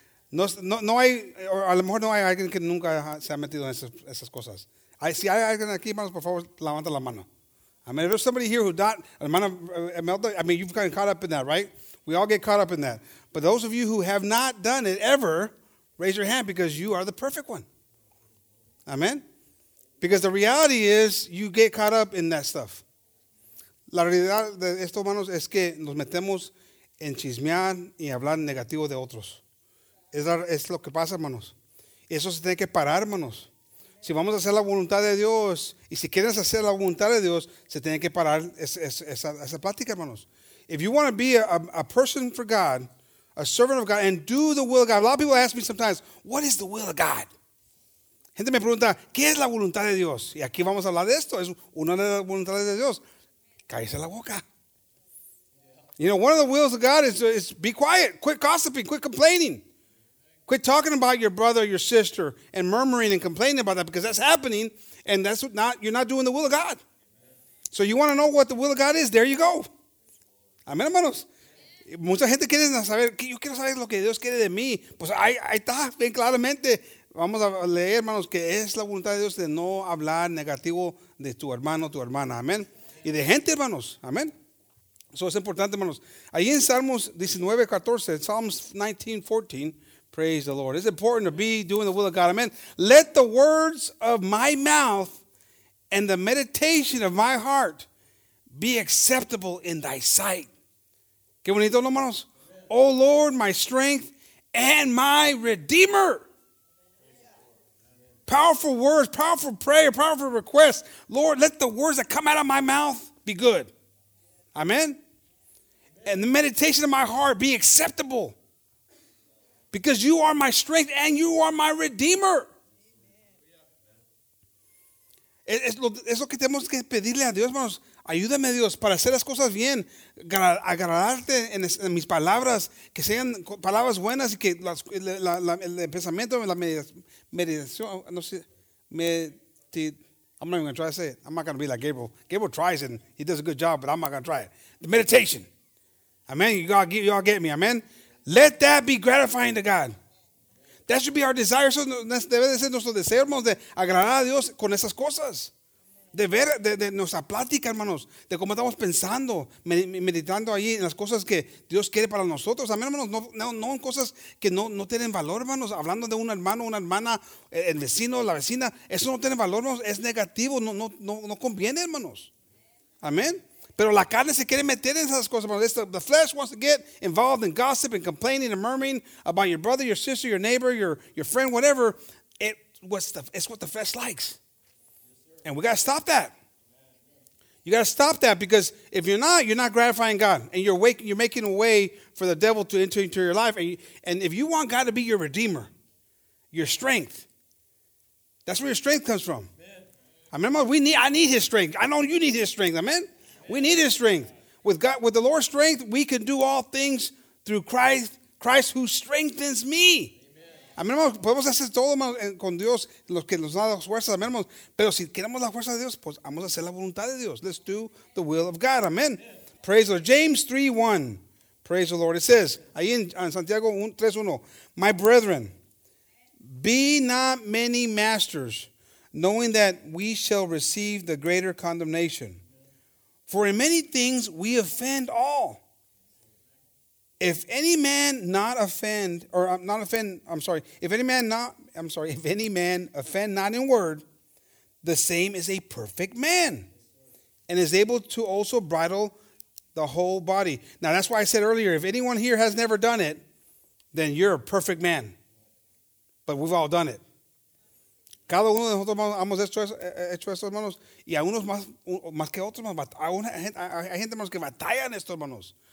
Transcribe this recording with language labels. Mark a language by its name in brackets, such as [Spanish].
[Spanish] No hay, o a lo mejor no hay alguien que nunca se ha metido en esas cosas. Si hay alguien aquí, hermanos, por favor, levanta la mano. [English] Amen? If there's somebody here who not, hermano, I mean, you've gotten caught up in that, right? We all get caught up in that. But those of you who have not done it ever, raise your hand because you are the perfect one. Amen? Because the reality is you get caught up in that stuff. [Spanish] La realidad de esto, hermanos, es que nos metemos en chismear y hablar negativo de otros. Es lo que pasa, hermanos. Eso se tiene que parar, hermanos. Si vamos a hacer la voluntad de Dios y si quieres hacer la voluntad de Dios, se tiene que parar esa plática, hermanos. [English] If you want to be a person for God, a servant of God, and do the will of God. A lot of people ask me sometimes, what is the will of God? [Spanish] Gente me pregunta, ¿qué es la voluntad de Dios? Y aquí vamos a hablar de esto. Es una de las voluntades de Dios. Cállese la boca. [English] You know, one of the wills of God is be quiet. Quit gossiping. Quit complaining. Quit talking about your brother or your sister and murmuring and complaining about that because that's happening and you're not doing the will of God. So you want to know what the will of God is? There you go. [Spanish] Amén, hermanos. Mucha gente quiere saber, yo quiero saber lo que Dios quiere de mí. Pues ahí está, bien claramente. Vamos a leer, hermanos, que es la voluntad de Dios de no hablar negativo de tu hermano, tu hermana. Amén. Y de gente, hermanos. Amén. Eso es importante, hermanos. Ahí en [English] Psalms 19:14, praise the Lord. It's important to be doing the will of God. Amén. Let the words of my mouth and the meditation of my heart be acceptable in thy sight. [Spanish] Qué bonito, ¿no, hermanos? [English] Oh Lord, my strength and my redeemer. Powerful words, powerful prayer, powerful request. Lord, let the words that come out of my mouth be good. Amen. And the meditation of my heart be acceptable. Because you are my strength and you are my redeemer. [Spanish] Es lo que tenemos que pedirle a Dios, hermanos. Ayúdame, Dios, para hacer las cosas bien. Agradarte en mis palabras. Que sean palabras buenas y que el pensamiento, la meditación, no sé. [English] I'm not even going to try to say it. I'm not going to be like Gabriel. Gabriel tries and he does a good job, but I'm not going to try it. The meditation. Amen. You all get me. Amen. Let that be gratifying to God. That should be our desire. [Spanish] Eso debe de ser nuestro deseo, hermanos, de agradar a Dios con esas cosas. De ver, de nuestra plática, hermanos, de cómo estamos pensando, meditando ahí en las cosas que Dios quiere para nosotros. Amén, hermanos, no en cosas que no tienen valor, hermanos. Hablando de un hermano, una hermana, el vecino, la vecina, eso no tiene valor, hermanos, es negativo, no conviene, hermanos. Amén. Pero la carne se quiere meter en esas cosas, hermanos. [English] The flesh wants to get involved in gossip and complaining and murmuring about your brother, your sister, your neighbor, your friend, whatever. It's what the flesh likes. And we got to stop that. You got to stop that because if you're not gratifying God. And you're making a way for the devil to enter into your life. And if you want God to be your redeemer, your strength, that's where your strength comes from. Amen. Amen. I need his strength. I know you need his strength. Amen. We need his strength. With God, with the Lord's strength, we can do all things through Christ who strengthens me. [Spanish] Amén, hermanos, podemos hacer todo con Dios, los que nos da las fuerzas, amén, hermanos. Pero si queremos la fuerza de Dios, pues vamos a hacer la voluntad de Dios. [English] Let's do the will of God. Amen. Praise the Lord. James 3:1. Praise the Lord. It says, [Spanish] ahí en Santiago [English] 3:1. My brethren, be not many masters, knowing that we shall receive the greater condemnation. For in many things we offend all. If any man not offend, or not offend, I'm sorry, if any man not, I'm sorry, if any man offend not in word, the same is a perfect man and is able to also bridle the whole body. Now, that's why I said earlier, if anyone here has never done it, then you're a perfect man. But we've all done it. [Spanish] Cada uno de nosotros hemos hecho esto, hermanos. Y a unos más que otros, hermanos. Hay gente, hermanos, que batalla en esto, hermanos.